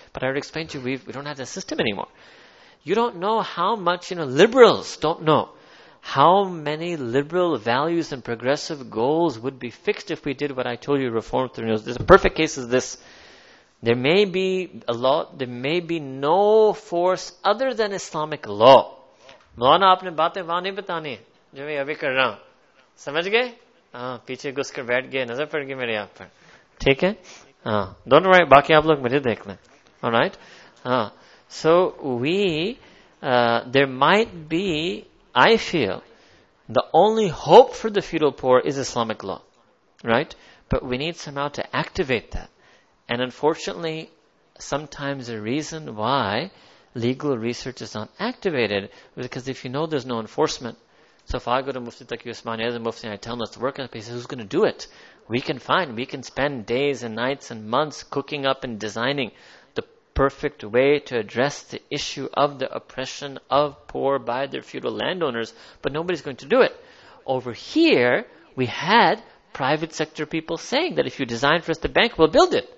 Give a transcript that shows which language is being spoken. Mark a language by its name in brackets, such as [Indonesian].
[English] But I already explained to you, we don't have that system anymore. You don't know how much, you know, liberals don't know how many liberal values and progressive goals would be fixed if we did what I told you, reform through news. The perfect case is this. There may be a lot, there may be no force other than Islamic law. [Urdu] مولانا آپ نے باتیں وہاں نہیں بتانی جو میں ابھی کر رہا ہوں سمجھ گئے ہاں پیچھے گھس کر بیٹھ گئے نظر پڑ گئی میرے آپ پر ٹھیک ہے ہاں [English] don't worry [Urdu] باقی آپ لوگ مجھے دیکھ لیں [English] all right [Urdu] ہاں [English] So we there might be I feel the only hope for the feudal poor is Islamic law right but we need some how to activate that and unfortunately sometimes a reason why legal research is not activated, because if you know there's no enforcement, so if I go to Mufti Taqi Usmani as a Mufti and I tell him not to work on the place, who's going to do it? We can spend days and nights and months cooking up and designing the perfect way to address the issue of the oppression of poor by their feudal landowners, but nobody's going to do it. Over here, we had private sector people saying that if you design for us the bank, we'll build it.